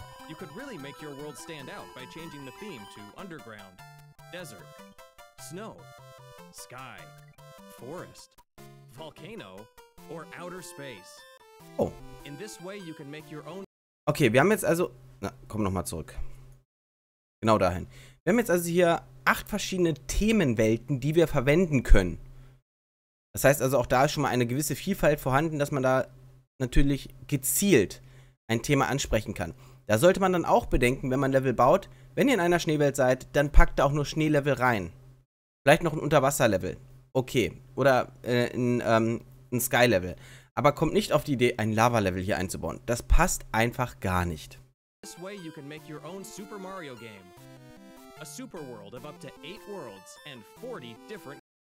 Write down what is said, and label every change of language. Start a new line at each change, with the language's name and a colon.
English: You could really make your world stand out by changing the theme to underground, desert, snow, sky, forest, volcano, or outer space. Oh. In this way you can make your own...
German: Okay, wir haben jetzt also Na, komm nochmal zurück. Genau dahin. Wir haben jetzt also hier 8 verschiedene Themenwelten, die wir verwenden können. Das heißt also, auch da ist schon mal eine gewisse Vielfalt vorhanden, dass man da natürlich gezielt ein Thema ansprechen kann. Da sollte man dann auch bedenken, wenn man Level baut, wenn ihr in einer Schneewelt seid, dann packt da auch nur Schneelevel rein. Vielleicht noch ein Unterwasserlevel. Okay. Oder ein Skylevel. Aber kommt nicht auf die Idee, ein Lava-Level hier einzubauen. Das passt einfach gar nicht.
English: This way you can make your own Super Mario game. A super world of up to 8 worlds and 40 different...